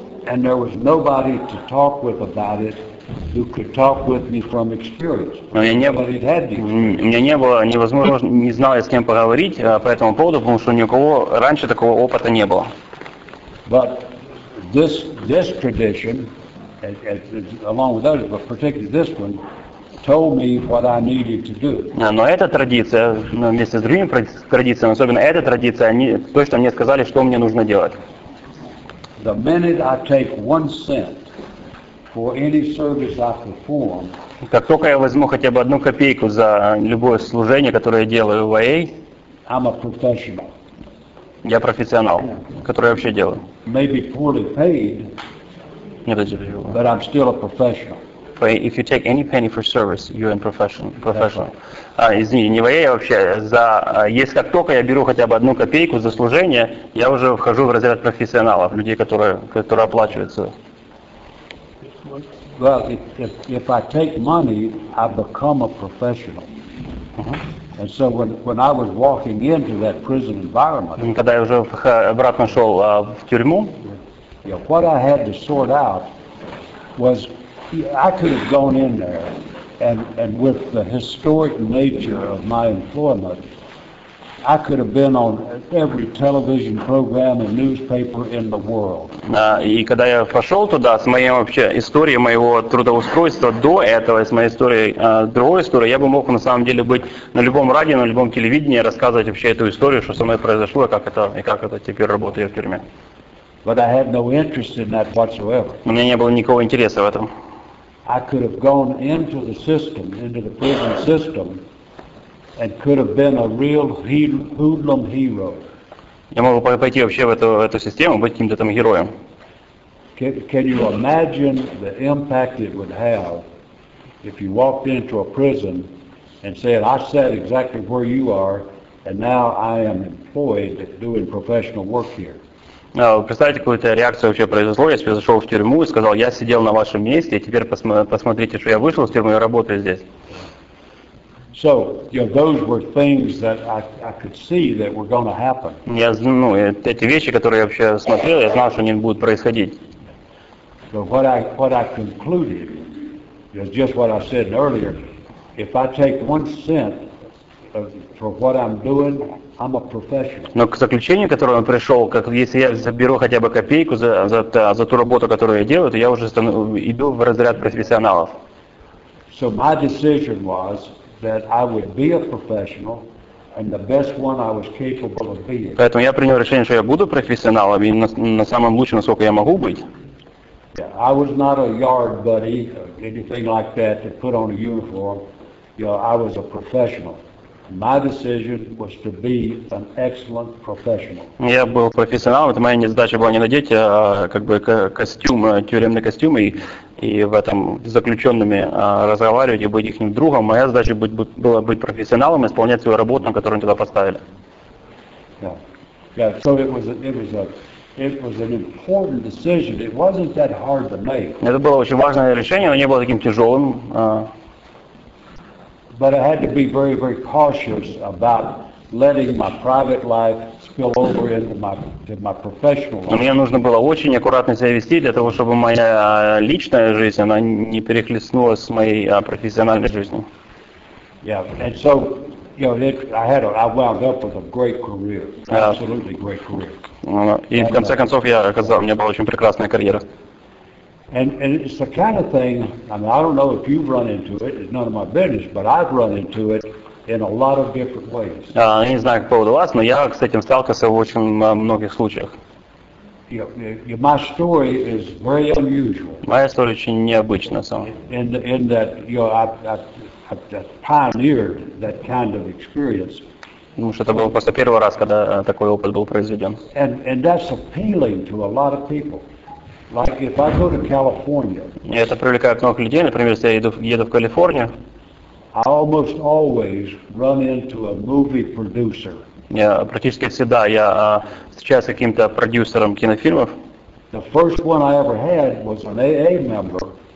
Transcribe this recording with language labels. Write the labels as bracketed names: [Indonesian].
[English] And there was nobody to talk with about it. who could talk with me from experience. [Russian] У меня не было невозможно, не знал я с кем поговорить по этому поводу, потому что ни у кого раньше такого опыта не было. [English] But this tradition, along with others, but particularly this one, told me what I needed to do. [Russian] Но эта традиция, вместе с другими традициями, особенно эта традиция, они точно мне сказали, что мне нужно делать. [English] The minute I take 1 cent for any service I perform, [Russian] как только я возьму хотя бы одну копейку за любое служение, которое я делаю в АА, [English] I'm a professional. [Russian] Я профессионал, который я вообще делаю. [English] Maybe poorly paid, but I'm still a professional. If you take any penny for service, you're a professional. [Russian] Извини, не ВАЭ, а вообще, если как только я беру хотя бы одну копейку за служение, я уже вхожу в разряд профессионалов, людей, которые оплачиваются. [English] Well, if I take money, I become a professional. And so when I was walking into that prison environment, [Russian] когда я уже обратно шел в тюрьму, [English] what I had to sort out was, I could have gone in there, and with the historic nature of my employment, I could have been on every television program and newspaper in the world. [Russian] И когда я пошел туда, с моей вообще историей моего трудоустройства до этого, с моей историей другой истории, я бы мог на самом деле быть на любом радио, на любом телевидении, рассказывать вообще эту историю, что со мной произошло, как это теперь работает в тюрьме. [English] But I had no interest in that whatsoever. [Russian] У меня не было никакого интереса в этом. [English] I could have gone into the system, into the prison system, and could have been a real hoodlum hero. [Russian] Я мог бы пойти вообще в эту систему, быть каким-то там героем. [English] Can you imagine the impact it would have if you walked into a prison and said, I sat exactly where you are, and now I am employed doing professional work here? [Russian] Представьте, какую-то реакцию вообще произошло, если бы я зашел в тюрьму и сказал, я сидел на вашем месте, и теперь посмотрите, что я вышел из тюрьмы и работаю здесь. [English] So, you know, those were things that I could see that were going to happen. [Russian] Эти вещи, которые я вообще смотрел, я знал, что они будут происходить. [English] But what I concluded is just what I said earlier. If I take 1 cent for what I'm doing, I'm a professional. [Russian] Но к заключению, к которому я пришел, как если я заберу хотя бы копейку за ту работу, которую я делаю, то я уже иду в разряд профессионалов. [English] So my decision was that I would be a professional and the best one I was capable of being. [Russian] Поэтому я принял решение, что я буду профессионалом и на самом лучшем, насколько я могу быть. [English] Yeah, I was not a yard buddy or anything like that to put on a uniform. You know, I was a professional. My decision was to be an excellent professional. [Russian] Я был профессионалом. Это моя незадача была не надеть костюм, тюремный костюм и в этом с заключенными разговаривать и быть их другом. Моя задача была быть профессионалом и исполнять свою работу, на которую они туда поставили. [English] Yeah. So it was an important decision. It wasn't that hard to make. [Russian] Это было очень важное решение, но не было таким тяжелым. [English] But I had to be very, very cautious about letting my private life spill over into my professional life. [Russian] Мне нужно было очень аккуратно себя вести для того, чтобы моя личная жизнь она не перехлестнулась с моей профессиональной жизнью. [English] Yeah, and so, you know, I wound up with a great career, absolutely great career. [Russian] И в конце концов я оказал, у меня была очень прекрасная карьера. [English] And it's the kind of thing, I mean, I don't know if you've run into it, it's none of my business, but I've run into it in a lot of different ways. [Russian] Не знаю, как по поводу вас, но я с этим сталкивался в очень многих случаях. [English] My story is very unusual. [Russian] Моя история очень необычна, сама. [English] In that, you know, I pioneered that kind of experience. [Russian] Потому что это был просто первый раз, когда такой опыт был произведен. [English] And that's appealing to a lot of people. Like if I go to California. [Russian] Это привлекает много людей. Например, если я еду в Калифорнию. [English] I almost always run into a movie producer. [Russian] Практически всегда я встречаюсь с каким-то продюсером кинофильмов. [English] The first one I ever had was an AA member.